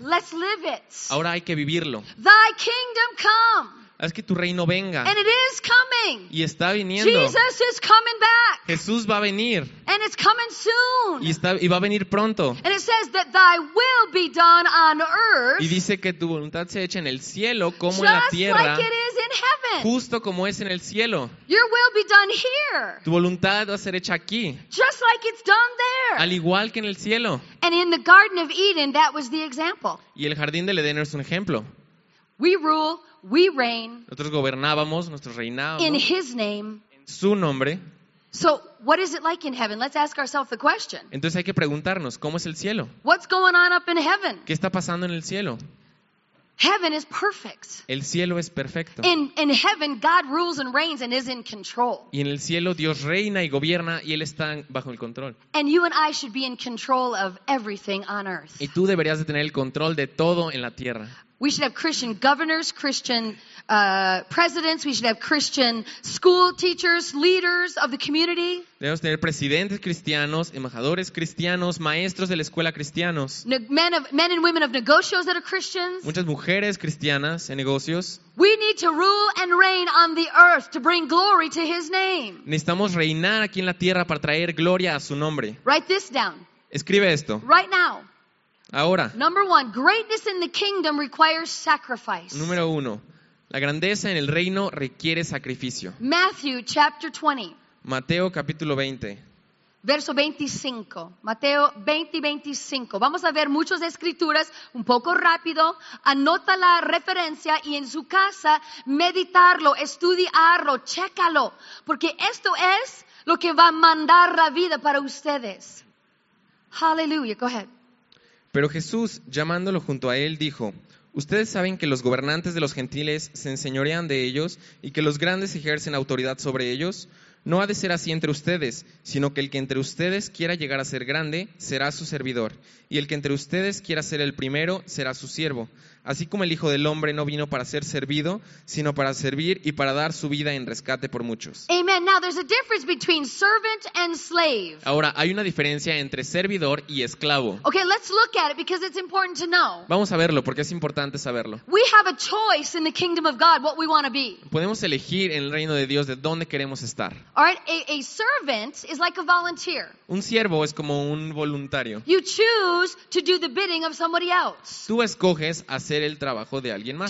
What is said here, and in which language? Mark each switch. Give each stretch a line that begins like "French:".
English: Let's live it.
Spanish: Ahora hay que vivirlo.
English: Thy kingdom come.
Spanish: Haz que tu reino venga.
English: And it is coming.
Spanish: Y está viniendo.
English: Jesus is coming back.
Spanish: Jesús va a venir.
English: And it's coming soon.
Spanish: Y va a venir pronto.
English: And it says that thy will be done on earth.
Spanish: Y dice que tu voluntad sea hecha en el cielo como en la tierra.
English: Just like it is in heaven.
Spanish: Justo como es en el cielo.
English: Your will be done here.
Spanish: Tu voluntad va a ser hecha aquí.
English: Just like it's done there.
Spanish: Al igual que en el cielo.
English: And in the Garden of Eden, that was the example.
Spanish: Y el jardín del Edén es un ejemplo.
English: We rule. We reign.
Spanish: Nosotros gobernábamos, nuestros reinados.
English: In His name.
Spanish: En su nombre.
English: So, what is it like in heaven? Let's ask ourselves the question.
Spanish: Entonces hay que preguntarnos, ¿cómo es el cielo?
English: What's going on up in heaven?
Spanish: ¿Qué está pasando en el cielo?
English: Heaven is perfect.
Spanish: El cielo es perfecto.
English: In heaven, God rules and reigns and is in control.
Spanish: Y en el cielo Dios reina y gobierna y él está bajo el control.
English: And you and I should be in control of everything on earth.
Spanish: Y tú deberías de tener el control de todo en la tierra.
English: We should have Christian governors, Christian presidents. We should have Christian school teachers, leaders of the community.
Spanish: Debemos tener presidentes cristianos, embajadores cristianos, maestros de la escuela cristianos.
English: Men and women of negocios that are Christians.
Spanish: Muchas mujeres cristianas en negocios.
English: We need to rule and reign on the earth to bring glory to His name.
Spanish: Necesitamos reinar aquí en la tierra para traer gloria a su nombre.
English: Write this down.
Spanish: Escribe esto.
English: Right now.
Spanish: Ahora,
English: number one, greatness in the kingdom requires sacrifice.
Spanish: Número uno, la grandeza en el reino requiere sacrificio.
English: Matthew chapter 20.
Spanish: Mateo capítulo 20. Verso 25. Mateo 20 y 25. Vamos a ver muchas escrituras un poco rápido. Anota la referencia y en su casa meditarlo, estudiarlo, chécalo. Porque esto es lo que va a mandar la vida para ustedes.
English: Hallelujah, go ahead.
Spanish: Pero Jesús, llamándolo junto a él, dijo, ustedes saben que los gobernantes de los gentiles se enseñorean de ellos y que los grandes ejercen autoridad sobre ellos. No ha de ser así entre ustedes, sino que el que entre ustedes quiera llegar a ser grande será su servidor, y el que entre ustedes quiera ser el primero será su siervo. Así como el Hijo del Hombre no vino para ser servido, sino para servir y para dar su vida en rescate por muchos. Amen.
English: Now there's a difference between servant and slave.
Spanish: Ahora hay una diferencia entre servidor y esclavo.
English: Okay, let's look at it because it's important to know.
Spanish: Vamos a verlo porque es importante saberlo.
English: We have a choice in the kingdom of God what we want to be.
Spanish: Podemos elegir en el reino de Dios de dónde queremos estar.
English: All right, a servant is like a volunteer.
Spanish: Un siervo es como un voluntario.
English: You choose to do the bidding of somebody else.
Spanish: Tú escoges a hacer el trabajo de alguien más.